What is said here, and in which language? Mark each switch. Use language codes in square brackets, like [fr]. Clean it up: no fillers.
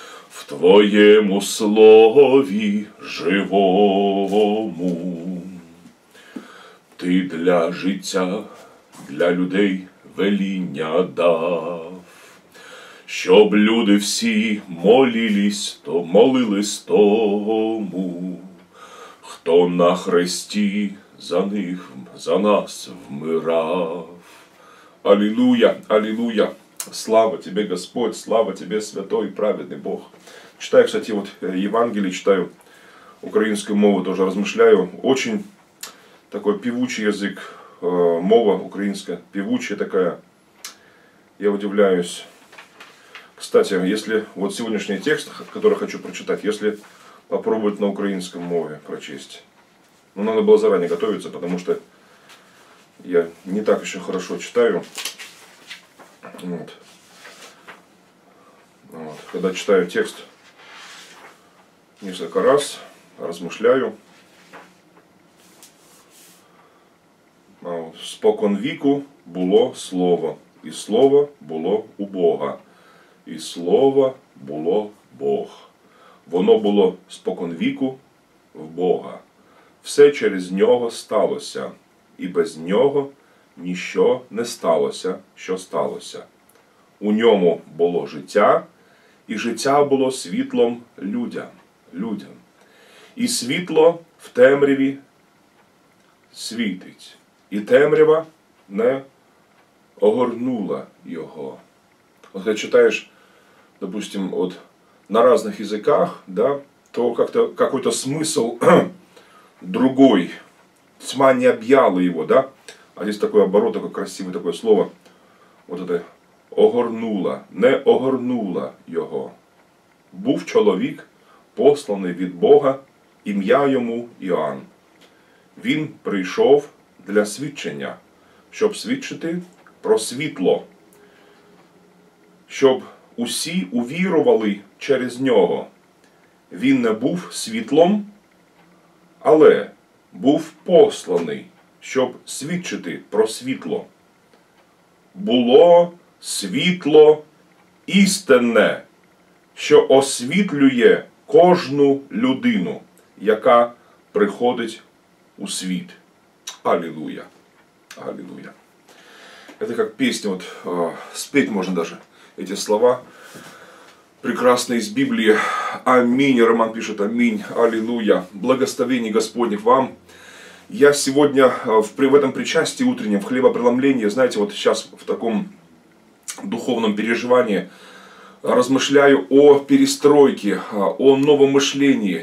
[uk] В твоєму слові живому ти для життя, для людей веління дав, щоб люди всі молились тому, хто на хресті за них, за нас вмирав. Алілуя, алілуя, слава тебе, Господь, слава тебе, святой і праведний Бог. [ru] Читаю, кстати, вот Евангелие, [uk] читаю українською мовою, [ru] тоже размышляю, очень... Такой певучий язык, мова украинская, певучая такая, я удивляюсь. Кстати, если вот сегодняшний текст, который хочу прочитать, если попробовать на украинском мове прочесть. Ну, надо было заранее готовиться, потому что я не так еще хорошо читаю. Вот. Когда читаю текст несколько раз, размышляю. [uk] «Спокон віку було слово, і слово було у Бога, і слово було Бог. Воно було спокон віку в Бога. Все через нього сталося, і без нього ніщо не сталося, що сталося. У ньому було життя, і життя було світлом людям. І світло в темряві світить. І темрява не огорнула його». От коли читаєш, допустим, от на різних язиках, да, [ru] то как-то какой-то смысл другой. Тьма не об'яла його, да? А здесь такой оборот, такое красивое такое слово. Вот это огорнула, не огорнула його. [uk] Був чоловік, посланий від Бога, ім'я йому Іоанн. Він прийшов для свідчення, щоб свідчити про світло, щоб усі увірували через нього. він не був світлом, але був посланий, щоб свідчити про світло. Було світло істинне, що освітлює кожну людину, яка приходить у світ. Алілуя. Алілуя. [ru] Это как песня, вот спеть можно даже эти слова прекрасные из Библии. Аминь, Роман пишет, аминь, аллилуйя. Благословение Господне вам. Я сегодня в этом причастии утреннем, в хлебопреломлении, знаете, вот сейчас в таком духовном переживании размышляю о перестройке, о новом мышлении.